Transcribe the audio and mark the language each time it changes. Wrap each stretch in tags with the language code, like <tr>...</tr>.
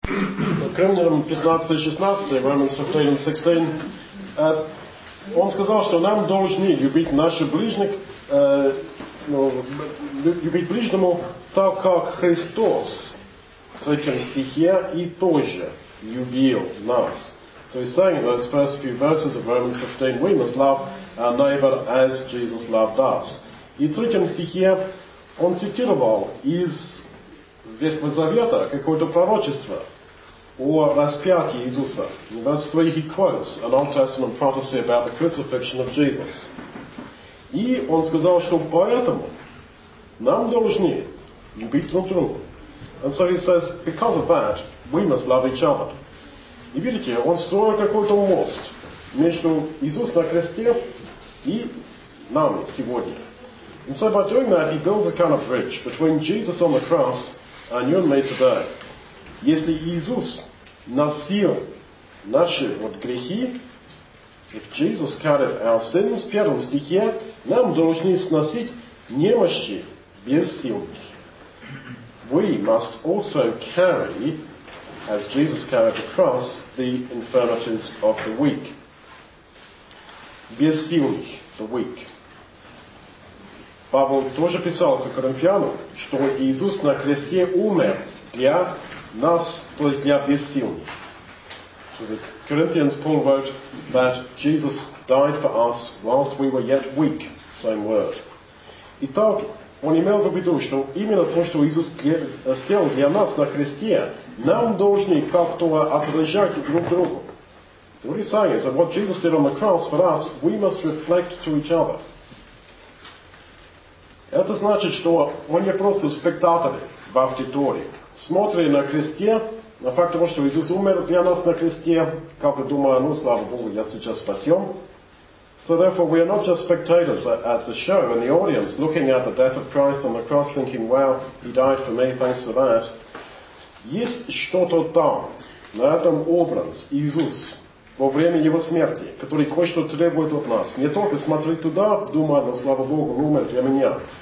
<ru>Кремнером 15-16,</ru> <en>Romans 15-16,</en> <ru>он сказал, что нам должны любить наших ближних, любить ближнему так, как Христос в своем стихе и тоже любил нас.</ru> <en>So he's saying those first few verses of Romans 15, we must love our neighbor as Jesus loved us.</en> <ru>И в третьем стихе он цитировал из Ветхого Завета какое-то пророчество о распятии Иисуса.</ru> <en>In verse 3 he quotes an Old Testament prophecy about the crucifixion of Jesus.</en> <ru>И он сказал, что поэтому нам должны любить друг друга.</ru> <en>And so he says, because of that, we must love each other.</en> <ru>И видите, он строил какой-то мост между Иисусом на кресте и нами сегодня.</ru> <en>And so by doing that, he builds a kind of bridge between Jesus on the cross and you and me today.</en> <ru>Если Иисус носил наши вот грехи,</ru> <en>if Jesus carried our sins,</en> <ru>в первом стихе, нам должны сносить немощи бессильных.</ru> <en>We must also carry, as Jesus carried the cross, the infirmities of the weak.</en> <ru>Бессильных,</ru> <en>the weak.</en> <ru>Павел тоже писал к Коринфянам, что Иисус на кресте умер для нас, то есть для бессильных.</ru> <en>So the Corinthians, Paul wrote that Jesus died for us whilst we were yet weak. Same word.</en> <ru>Итак, он имел в виду, что именно то, что Иисус сделал для нас на кресте, нам должны как-то отражать друг другу.</ru> <en>So what he's saying is that what Jesus did on the cross for us, we must reflect to each other.</en> <ru>Это значит, что мы не просто спектаторы в аудитории. Смотрим на кресте, на факт того, что Иисус умер для нас на кресте, как бы думая, ну, слава Богу, я сейчас спасен.</ru> <en>So therefore, we are not just spectators at the show in the audience, looking at the death of Christ on the cross, thinking, wow, he died for me, thanks for that.</en> <ru>Есть что-то там, на этом образ, Иисус, во время его смерти, который кое-что требует от нас. Не только смотреть туда, думая, ну, слава Богу, он умер для меня.</ru>